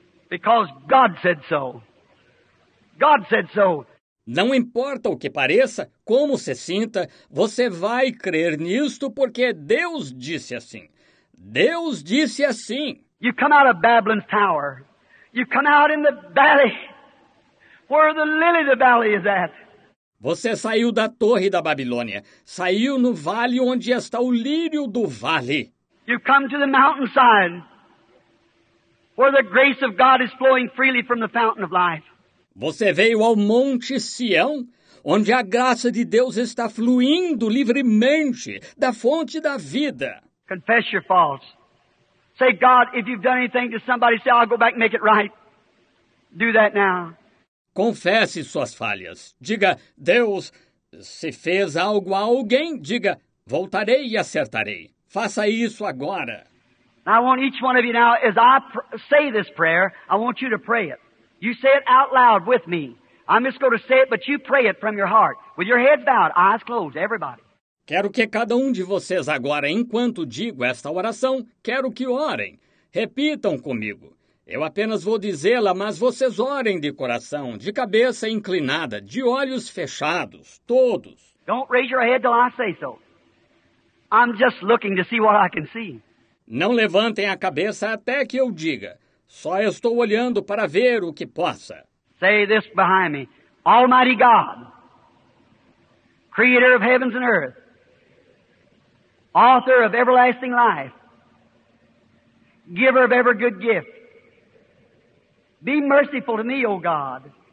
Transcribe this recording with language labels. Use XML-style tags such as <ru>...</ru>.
<en>Because God said so. God said so.</en> <pt>Não importa o que pareça, como se sinta, você vai crer nisto porque Deus disse assim. Deus disse assim.</pt> <en>You come out of Babylon's tower. You come out in the valley. Where the lily of the valley is at.</en> <pt>Você saiu da torre da Babilônia. Saiu no vale onde está o lírio do vale.</pt> <en>You come to the mountainside. Where the grace of God is flowing freely from the fountain of life.</en> <pt>Você veio ao Monte Sião, onde a graça de Deus está fluindo livremente da fonte da vida.</pt> <en>Confess your faults. Say, God, if you've done anything to somebody, say, I'll go back and make it right. Do that now.</en> <pt>Confesse suas falhas. Diga, Deus, se fez algo a alguém, diga, voltarei e acertarei. Faça isso agora.</pt> <en>I want each one of you now, as I say this prayer, I want you to pray it. You say it out loud with me. I'm just going to say it, but you pray it from your heart. With your head bowed, eyes closed, everybody.</en> <pt>Quero que cada um de vocês agora, enquanto digo esta oração, quero que orem. Repitam comigo. Eu apenas vou dizê-la, mas vocês orem de coração, de cabeça inclinada, de olhos fechados, todos.</pt> <en>Don't raise your head till I say so. I'm just looking to see what I can see.</en> <pt>Não levantem a cabeça até que eu diga. Só estou olhando para ver o que possa.</pt> <en>Say this behind me. Almighty God, creator of heavens and earth, author of everlasting life, giver of every good gift, be merciful to me, O God.</en>